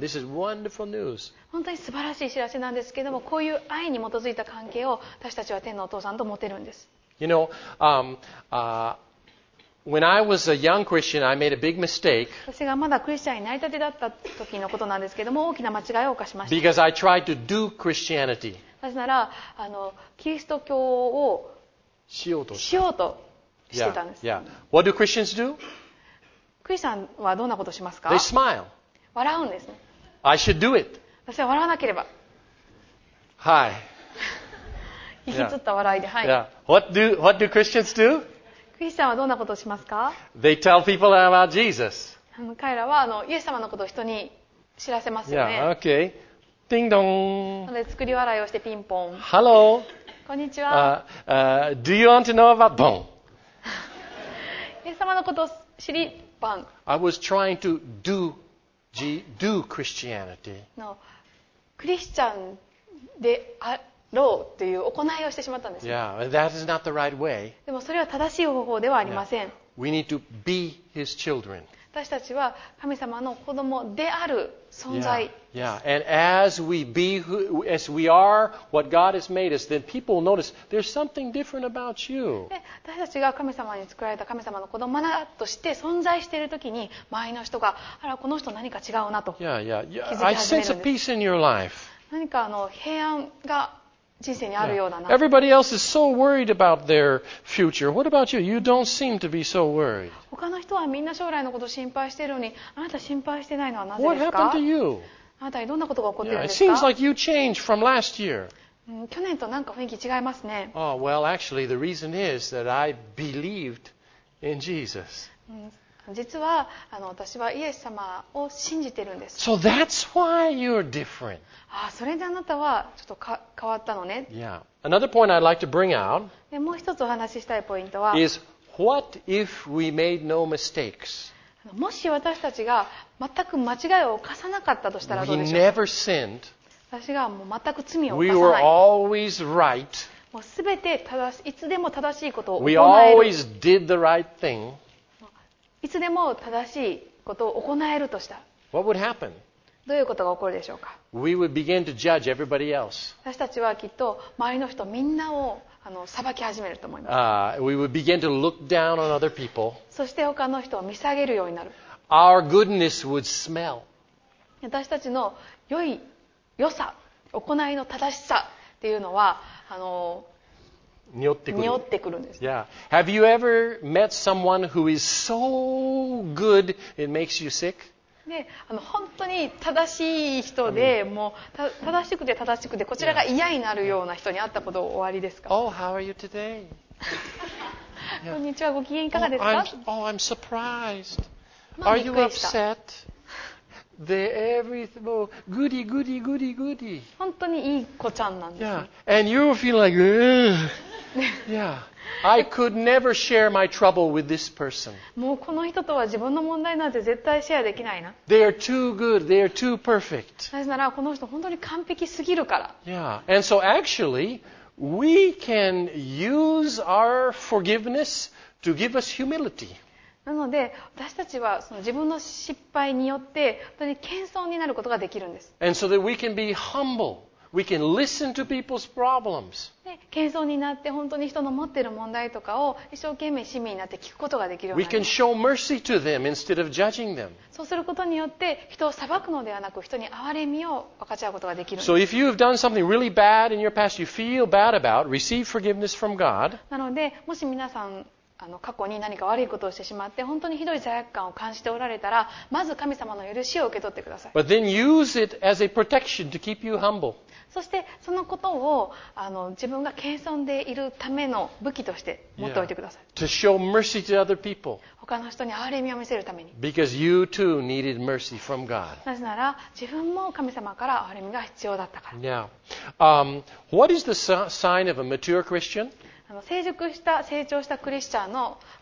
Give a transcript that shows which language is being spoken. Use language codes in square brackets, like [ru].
[en] This is wonderful news. [ja] 本当に素晴らしい知らせなんですけれども、こういう愛に基づいた関係を私たちは天のお父さんと持てるんです。 [en] You know, when I was a young Christian, I made a big mistake. [ja] 私がまだクリスチャンになりたてだった時のことなんですけれども、大きな間違いを犯しました。 [en] Because I tried to do Christianity. [ja] なぜなら、キリスト教をしようとしてたんです。 [en] Yeah, yeah. What do Christians do? [ja] クリスチャンはどんなことをしますか? [en] They smile. [ja] 笑うんですね。 [en] I should do it. [ja] 私は笑わなければ。はい。引きつった笑いで、はい。 [en] Yeah. What do Christians do? [ja] クリスチャンはどんなことをしますか? [en] They tell people about Jesus. [ja] 彼らはイエス様のことを人に知らせますよね。 [en] Yeah. Okay. [ja] ティンドン。で、作り笑いをしてピンポン。 [en] Hello. [ja] こんにちは。 [en] Do you want to know about ボン? [ja] イエス様のことを知り、ボン。 [en] I was trying to do Christianity. [ja] のクリスチャンであろうという行いをしてしまったんです。 [en] Yeah, that is not the right way. [ja] でもそれは正しい方法ではありません。 [en] No. We need to be his children. [ja] 私たちは神様の子供である存在。 [en] Yeah, yeah. And as we be who, as we are what God has made us, then people will notice there's something different about you. [ja] 私たちが神様に作られた神様の子供として存在しているときに、周りの人が、あら、この人何か違うなと気づき始めるんです。 [en] Yeah, yeah, yeah. I sense a peace in your life. [ja] 何か平安が人生にあるようだな。 [en] Yeah. Everybody else is so worried about their future. What about you? You don't seem to be so worried. [ja] 他の人はみんな将来のことを心配しているのに、あなた心配してないのはなぜですか？ [en] What happened to you? [ja] あなたにどんなことが起こっているんですか？ [en] Yeah. It seems like you changed from last year. [ja] 去年となんか雰囲気違いますね。 [en] Oh, well, actually, the reason is that I believed in Jesus. [ja] 実は私はイエス様を信じているんです。 [en] So that's why you're different. [ja] ああ、それであなたはちょっと変わったのね。 [en] Yeah. Another point I'd like to bring out. [ja] でもう一つお話ししたいポイントは、 [en] is what if we made no mistakes? [ja] もし私たちが全く間違いを犯さなかったとしたらどうでしょう。 [en] We never sinned. [ja] 私がもう全く罪を犯さない。 [en] We were always right. [ja] もうすべて正しい、いつでも正しいことを行える。 [en] We always did the right thing. [ja] いつでも正しいことを行えるとした。 [en] What would happen? [ja] どういうことが起こるでしょうか。 [en] We would begin to judge everybody else. [ja] 私たちはきっと周りの人みんなを裁き始めると思います。 [en] We would begin to look down on other people. [ja] そして他の人を見下げるようになる。 [en] Our goodness would smell. [ja] 私たちの良い良さ、行いの正しさっていうのは匂ってくるんです。 [en] Yeah. Have you ever met someone who is so good it makes you sick? [ja] ね、本当に正しい人で、もう正しくて正しくてこちらが嫌になるような人に会ったことおありですか？ [en] Oh, how are you today? [ja] こんにちは、ご機嫌いかがですか？ [en] I'm surprised. Are you upset? Goody, goody, goody, goody. [ja] 本当にいい子ちゃんなんです。 [en] Yeah. And you feel like, yeah. I could never share my trouble with this person. [ja] もうこの人とは自分の問題なんて絶対シェアできないな。 [en] They are too good. They are too perfect. [ja] なぜならこの人本当に完璧すぎるから。 [en] Yeah. And so actually, we can use our forgiveness to give us humility. [ja] なので私たちはその自分の失敗によって本当に謙遜になることができるんです。 [en] And so that we can be humble. We can listen to people's problems. [ja] 謙遜になって本当に人の持っている問題とかを一生懸命親身になって聞くことができるようになります。 [en] We can show mercy to them instead of judging them. [ja] そうすることによって人を裁くのではなく人に憐れみを分かち合うことができるんです [en] So if you've done something really bad in your past you feel bad about, receive forgiveness from God. [ja] なのでもし皆さん過去に何か悪いことをしてしまって本当にひどい罪悪感を感じておられたらまず神様の許しを受け取ってください。 [en] But then use it as a protection to keep you humble. [ja] そしてそのことを自分が謙遜でいるための武器として持っておいてください。 [en] Yeah. To show mercy to other people. [ja] 他の人に憐れみを見せるために。 [en] Because you too needed mercy from God. [ja] なぜなら自分も神様から憐れみが必要だったから。 [en] Now, what is the sign of a mature Christian? [ja] 成熟した成長したクリスチャンの